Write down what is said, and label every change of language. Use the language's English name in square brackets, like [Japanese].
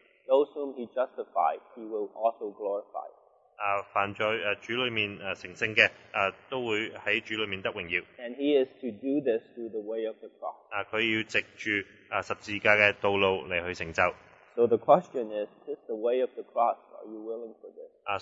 [English] Those whom he justified, he will also glorify. [Cantonese] 犯罪主裏面成聖嘅都會喺主裏面得榮耀。 [English] And he is to do this through the way of the cross. [Cantonese] 佢要藉住十字架嘅道路嚟去成就。 [English] So the question is, this the way of the cross, are you willing for this?